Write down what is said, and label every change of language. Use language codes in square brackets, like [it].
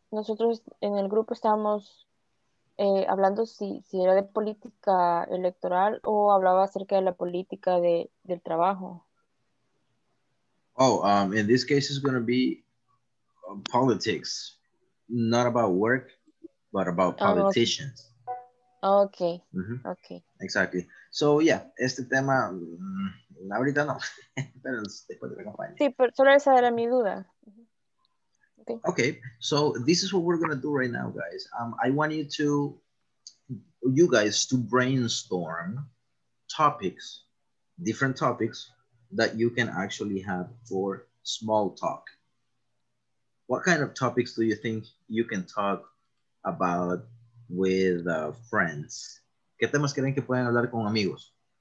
[es] Nosotros en el grupo estábamos hablando si era de política electoral o hablaba acerca de la política del trabajo. [en] Oh, in this case it's going to be politics, not about work, but about politicians. Okay. Mm-hmm. Okay. Exactly. [es] So, yeah, este tema, ahorita no, pero después de la campaña. Sí, pero solo esa era mi duda. [en] Okay. Okay. So, this is what we're going to do right now, guys. I want you guys to brainstorm topics, different topics that you can actually have for small talk. What kind of topics do you think you can talk about with friends? [es] ¿Qué temas creen que pueden hablar con amigos?